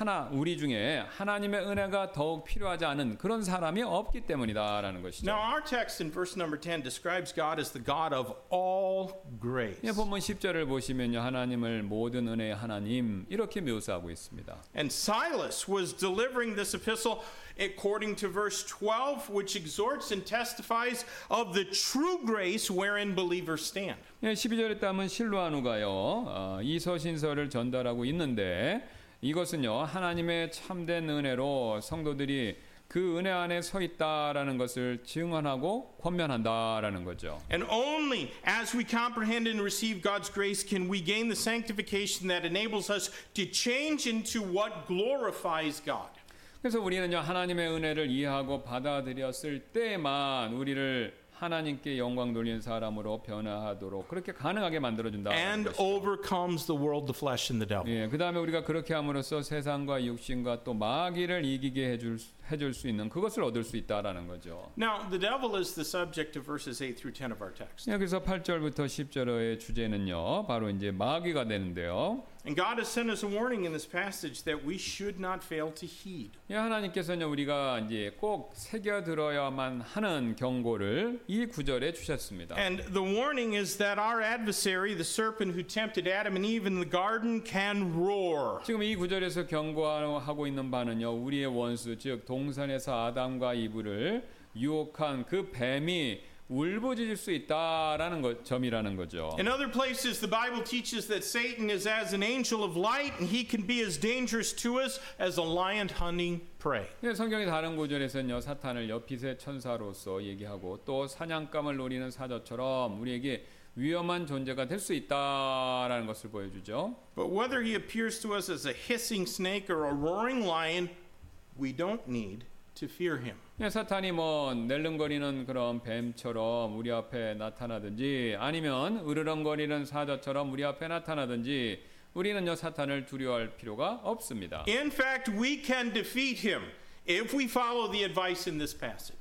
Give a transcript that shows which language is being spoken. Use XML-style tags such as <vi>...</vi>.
<ko>우리 중에 하나님의 은혜가 더욱 필요하지 않은 그런 사람이 없기 때문이다라는 것이죠.</ko> <en>Now our text in verse number 10 describes God as the God of all grace.</en> <ko>예, 본문 10절을 보시면요. 하나님을 모든 은혜의 하나님 이렇게 묘사하고 있습니다.</ko> <en>And Silas was delivering this epistle according to verse 12 which exhorts and testifies of the true grace wherein believers stand.</en> <ko>예, 12절에 따르면 실루아누가요. 이 서신서를 전달하고 있는데 이것은요 하나님의 참된 은혜로 성도들이 그 은혜 안에 서 있다라는 것을 증언하고 권면한다라는 거죠.</ko> <en>And only as we comprehend and receive God's grace can we gain the sanctification that enables us to change into what glorifies God.</en> <ko>그래서 우리는요 하나님의 은혜를 이해하고 받아들였을 때만 우리를 하나님께 영광 돌리는 사람으로 변화하도록 그렇게 가능하게 만들어준다.</ko> <en>And overcomes the world, the flesh, and the devil.</en> <ko>예, 그 다음에 우리가 그렇게 함으로써 세상과 육신과 또 마귀를 이기게 해줄 수 있는 그것을 얻을 수 있다라는 거죠.</ko> <en>Now the devil is the subject of verses 8 through 10 of our text.</en> <ko>여기서 8절부터 10절의 주제는요, 바로 이제 마귀가 되는데요.</ko> <en>And God has sent us a warning in this passage that we should not fail to heed.</en> <ko>예, 하나님께서는 우리가 이제 꼭 새겨들어야만 하는 경고를 이 구절에 주셨습니다.</ko> <en>And the warning is that our adversary, the serpent who tempted Adam and Eve in the garden, can roar.</en> <ko>지금 이 구절에서 경고하고 있는 바는요, 우리의 원수, 즉 동산에서 아담과 이브를 유혹한 그 뱀이 울부짖을 수 있다라는 점이라는 거죠.</ko> <en>In other places, the Bible teaches that Satan is as an angel of light, and he can be as dangerous to us as a lion hunting prey.</en> <ko>성경의 다른 구절에서는요, 사탄을 엿빛의 천사로서 얘기하고 또 사냥감을 노리는 사자처럼 우리에게 위험한 존재가 될 수 있다라는 것을 보여주죠.</ko> <en>But whether he appears to us as a hissing snake or a roaring lion, we don't need to fear him.</en> <ko>사탄이 뭐 낼름거리는 그런 뱀처럼 우리 앞에 나타나든지 아니면 으르렁거리는 사자처럼 우리 앞에 나타나든지 우리는요 사탄을 두려워할 필요가 없습니다.</ko> <en>In fact, we can defeat him if we follow the advice in this passage.</en>